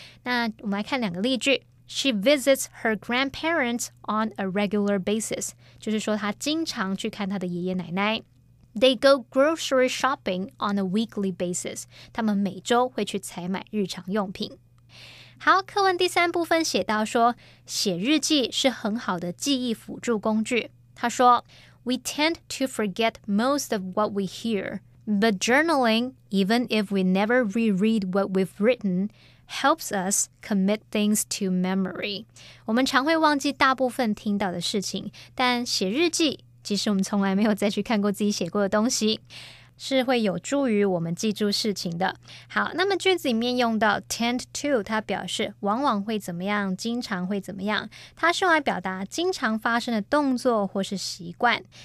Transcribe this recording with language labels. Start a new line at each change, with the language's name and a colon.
English: 那我们来看两个例句。She visits her grandparents on a regular basis,
Chinese: 就是说她经常去看她的爷爷奶奶。
English: They go grocery shopping on a weekly basis,
Chinese: 他们每周会去采买日常用品。好，课文第三部分写到说，写日记是很好的记忆辅助工具。他说
English: ，We tend to forget most of what we hear, but journaling, even if we never reread what we've written, helps us commit things to memory.
Chinese: 我们常会忘记大部分听到的事情，但写日记，即使我们从来没有再去看过自己写过的东西，是会有助于我们记住事情的。好，那么句子里面用到 tend to， 它表示往往会怎么样，经常会怎么样，它是用来表达经常发生的动作或是习惯。